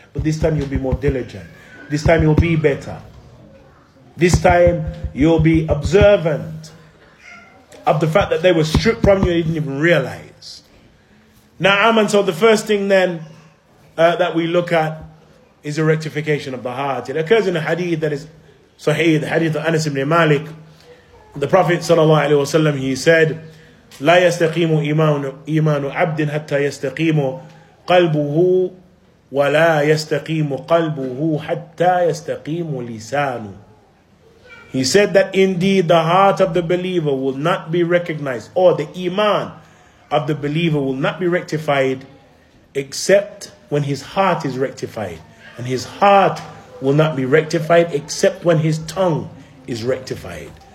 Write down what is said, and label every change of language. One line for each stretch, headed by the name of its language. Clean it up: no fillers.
English: But this time you'll be more diligent. This time you'll be better. This time you'll be observant of the fact that they were stripped from you and you didn't even realize. Now, Aman, so the first thing then that we look at is a rectification of the heart. It occurs in a hadith that is sahih, the hadith of Anas ibn Malik. The Prophet ﷺ, he said,
Arabic: لا يستقيم إيمان عبد حتى يستقيم قلبه ولا يستقيم قلبه حتى يستقيم لسانه.
English: He said that indeed the heart of the believer will not be recognized, or the iman of the believer will not be rectified except when his heart is rectified. And his heart will not be rectified except when his tongue is rectified.